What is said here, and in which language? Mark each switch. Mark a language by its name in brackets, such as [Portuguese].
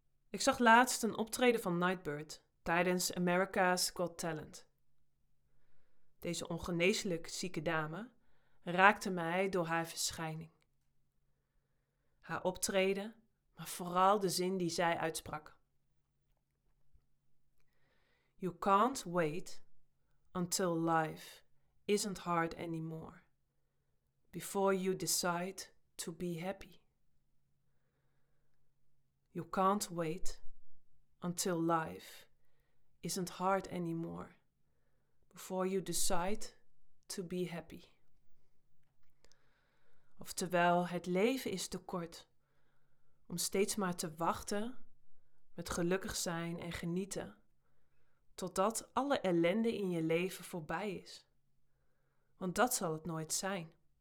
[Dutch] Ik zag laatst een optreden van Nightbird tijdens America's Got Talent. Deze ongeneeslijk zieke dame raakte mij door haar verschijning. Haar optreden, maar vooral de zin die zij uitsprak. [English] You can't wait until life isn't hard anymore, before you decide to be happy. You can't wait until life isn't hard anymore, before you decide to be happy. [Dutch] Oftewel, het leven is te kort om steeds maar te wachten met gelukkig zijn en genieten totdat alle ellende in je leven voorbij is. Want dat zal het nooit zijn.